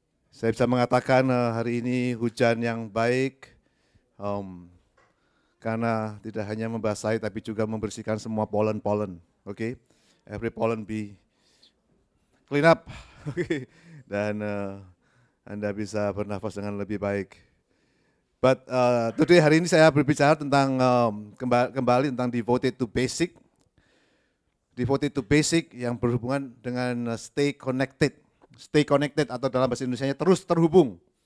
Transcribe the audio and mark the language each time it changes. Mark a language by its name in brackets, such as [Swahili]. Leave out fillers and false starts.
[Indonesian] Saya bisa mengatakan hari ini hujan yang baik karena tidak hanya membasahi tapi juga membersihkan semua pollen-pollen. Oke. Okay? [English] Every pollen be clean up. [Indonesian] Dan Anda bisa bernafas dengan lebih baik. [English] But today [Indonesian] hari ini saya berbicara tentang kembali tentang [English] devoted to basic. Devoted to basic [Indonesian] yang berhubungan dengan [English] stay connected [Indonesian] atau dalam bahasa Indonesia-nya terus terhubung.